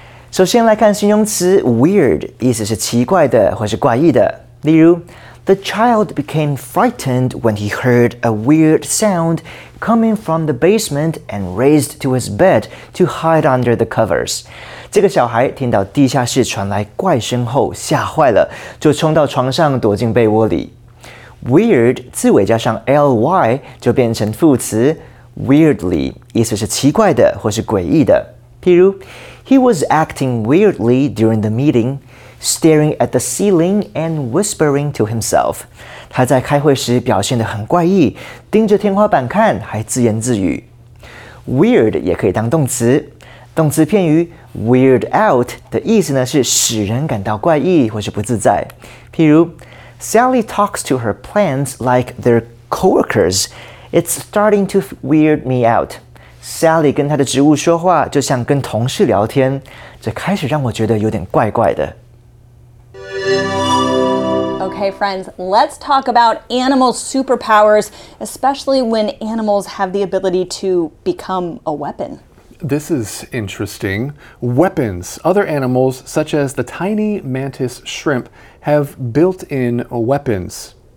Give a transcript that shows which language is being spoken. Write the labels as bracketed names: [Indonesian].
[Chinese] 首先来看形容词 weird， 意思是奇怪的或是怪异的。 [English] 例如 ，The child became frightened when he heard a weird sound coming from the basement and raced to his bed to hide under the covers。 [Chinese] 这个小孩听到地下室传来怪声后吓坏了，就冲到床上躲进被窝里。 Weird 字尾加上 ly 就变成副词 weirdly， 意思是奇怪的或是诡异的。 [English] 譬如He was acting weirdly during the meeting, staring at the ceiling and whispering to himself. [Chinese] 他在开会时表现得很怪异，盯着天花板看，还自言自语。 Weird 也可以当动词，动词片语 weird out 的意思呢是使人感到怪异或是不自在。 [English] 譬如 ，Sally talks to her plants like they're coworkers. It's starting to weird me out. [Chinese] Sally 跟她的植物说话就像跟同事聊天，这开始让我觉得有点怪怪的。 [English] Okay, friends, let's talk about animal superpowers, especially when animals have the ability to become a weapon. This is interesting. Weapons. Other animals, such as the tiny mantis shrimp, have built-in weapons.